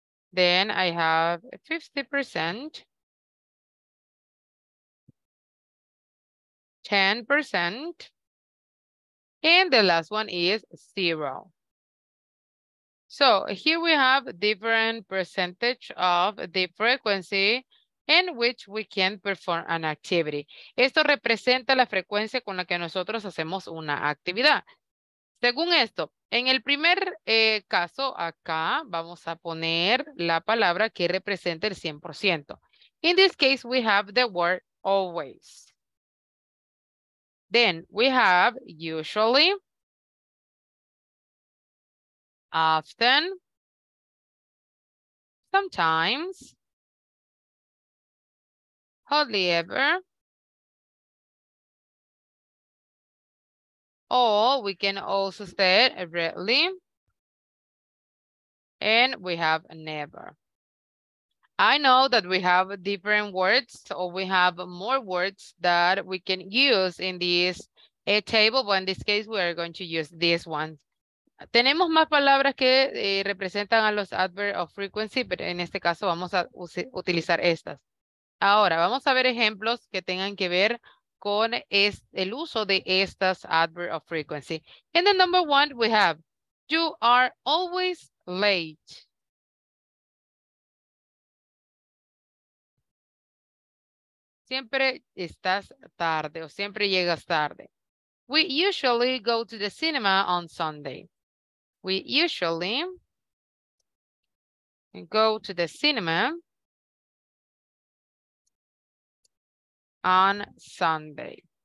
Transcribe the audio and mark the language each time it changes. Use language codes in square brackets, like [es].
[en] Then I have 50%, 10%, and the last one is 0. So here we have different percentage of the frequency in which we can perform an activity. [es] Esto representa la frecuencia con la que nosotros hacemos una actividad. Según esto, en el primer caso, acá vamos a poner la palabra que representa el 100%. [en] In this case, we have the word always. Then we have usually, often, sometimes, hardly ever. Or we can also say rarely, and we have never. I know that we have different words, or we have more words that we can use in this a table, but in this case we are going to use this one. [es] Tenemos más palabras que representan a los [en] adverbs of frequency, [es] pero en este caso vamos a utilizar estas. Ahora, vamos a ver ejemplos que tengan que ver con el uso de estas [en] adverbs of frequency. In the number one, we have, you are always late. [es] Siempre estás tarde o siempre llegas tarde. [en] We usually go to the cinema on Sunday. We usually go to the cinema on Sunday.